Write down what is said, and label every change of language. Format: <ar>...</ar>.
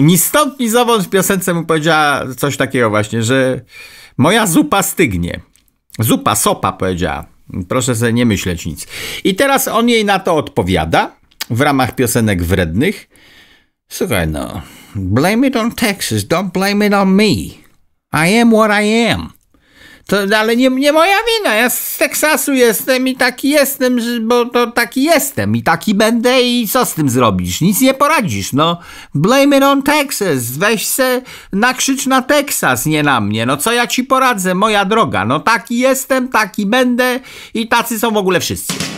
<pl>Ni stąd, ni zowąd w piosence mu powiedziała coś takiego właśnie, że moja zupa stygnie. Zupa, sopa, powiedziała. Proszę sobie nie myśleć nic. I teraz on jej na to odpowiada w ramach piosenek wrednych. Słuchaj no,</pl> <en>blame it on Texas, don't blame it on me. I am what I am.</en> <pl>To, ale nie moja wina, ja z Teksasu jestem i taki jestem, bo to taki jestem i taki będę i co z tym zrobisz? Nic nie poradzisz, no.</pl> <en>Blame it on Texas,</en> <pl>weź se nakrzycz na Teksas, nie na mnie. No co ja ci poradzę, moja droga? No taki jestem, taki będę i tacy są w ogóle wszyscy.</pl>